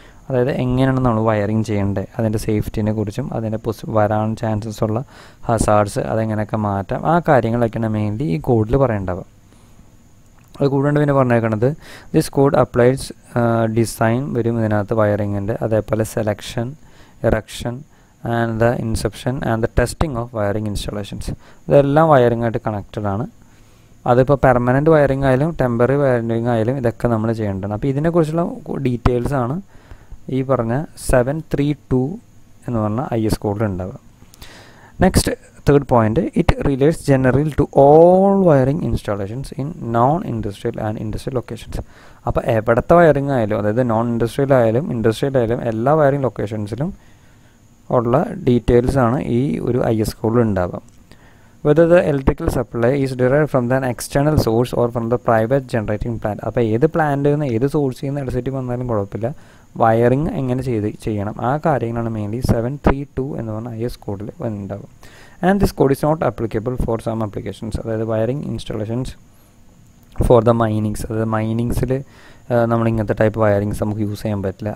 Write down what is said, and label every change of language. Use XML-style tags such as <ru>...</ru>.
<ml>അതായത് എങ്ങനെയാണ് നമ്മൾ വയറിംഗ് ചെയ്യേണ്ടത്, അതിൻ്റെ സേഫ്റ്റിനെ കുറിച്ചും അതിൻ്റെ വരാൻ ചാൻസസ് ഉള്ള ഹസാർഡ്സ് അതെങ്ങനെയൊക്കെ മാറ്റാം, ആ കാര്യങ്ങളൊക്കെയാണ് മെയിൻലി ഈ കോഡിൽ പറയേണ്ടത്. അത് കൂടുതൽ പിന്നെ പറഞ്ഞേക്കുന്നത്</ml> <en>this code applies</en> <ml>ഡിസൈൻ വരും ഇതിനകത്ത് വയറിങ്ങിൻ്റെ, അതേപോലെ selection erection</ml> <en>and the inception and the testing of wiring installations.</en> <ml>ഇതെല്ലാം വയറിംഗ് ആയിട്ട് കണക്റ്റഡ് ആണ്. അതിപ്പോൾ പെർമനൻ്റ് വയറിംഗ് ആയാലും ടെമ്പററി വയറിംഗ് ആയാലും ഇതൊക്കെ നമ്മൾ ചെയ്യേണ്ടതാണ്. അപ്പോൾ ഇതിനെക്കുറിച്ചുള്ള ഡീറ്റെയിൽസ് ആണ് ഈ പറഞ്ഞ 732 എന്ന് പറഞ്ഞ ഐ എസ് കോഡിൽ ഉണ്ടാവുക.</ml> <en>Next third point, it relates generally to all wiring installations in non industrial and industrial locations.</en> <ml>അപ്പോൾ എവിടത്തെ വയറിംഗ് ആയാലും, അതായത് നോൺ ഇൻഡസ്ട്രിയലായാലും ഇൻഡസ്ട്രിയലായാലും എല്ലാ വയറിംഗ് ലൊക്കേഷൻസിലും ഉള്ള ഡീറ്റെയിൽസാണ് ഈ ഒരു ഐ എസ് കോഡിൽ ഉണ്ടാവുക.</ml> <en>Whether the electrical supply is derived from an external source or from the private generating plant.</en> <ml>അപ്പോൾ ഏത് പ്ലാന്റിൽ നിന്ന് ഏത് സോഴ്സിൽ നിന്ന് ഇലക്ട്രിസിറ്റി വന്നാലും കുഴപ്പമില്ല, വയറിംഗ് എങ്ങനെ ചെയ്യണം ആ കാര്യങ്ങളാണ് മെയിൻലി 732 എന്ന് പറഞ്ഞ ഐ എസ് കോഡിൽ വന്നിട്ടുണ്ടാവും.</ml> <en>And this code is not applicable for some applications. അതായത് wiring installations for the minings,</en> <ml>അതായത് മൈനിങ്സിൽ നമ്മൾ ഇങ്ങനത്തെ ടൈപ്പ് വയറിങ്സ് നമുക്ക് യൂസ് ചെയ്യാൻ പറ്റില്ല.</ml>